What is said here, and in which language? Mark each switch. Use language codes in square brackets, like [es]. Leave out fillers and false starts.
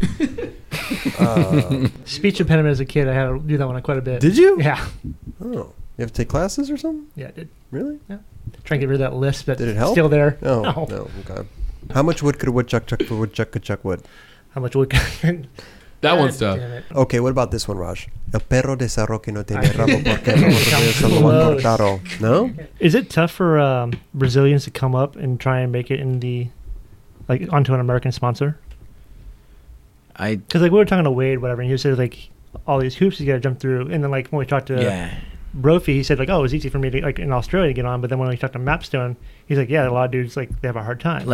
[en] Yeah. Speech impediment as a kid, I had to do that one quite a bit. Did you? Yeah. Oh. You have to take classes or something? Yeah, I did. Really? Yeah. Try and get rid of that lisp that's still there. Oh, no. Okay. How much wood could a woodchuck chuck for woodchuck could chuck wood? How much wood could... That one's tough. Okay, what about this one, Raj? [es] El perro de Cerro que no tiene rabo porque no tiene rabo cortado. [en] No? Is it tough for Brazilians to come up and try and make it in the... Like, onto an American sponsor? Because, like, we were talking to Wade, whatever, and he said, like, all these hoops you got to jump through. And then, like, when we talked to Brophy, he said, like, oh, it was easy for me to, like, in Australia to get on. But then when we talked to Mapstone, he's like, yeah, a lot of dudes, like, they have a hard time.